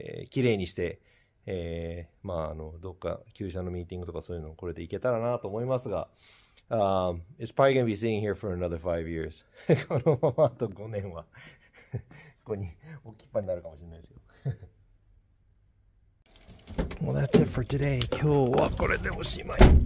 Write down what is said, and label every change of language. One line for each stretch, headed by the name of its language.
Japanese: きれいにして、どっか旧車のミーティングとかそういうのこれでいけたらなと思いますが。
English: It's probably gonna be sitting here for another 5 years.
Japanese: このままあと5年は ここに置きっぱになるかもしれないですよ。
English: Well, that's it for today.
Japanese: 今日はこれでおしまい。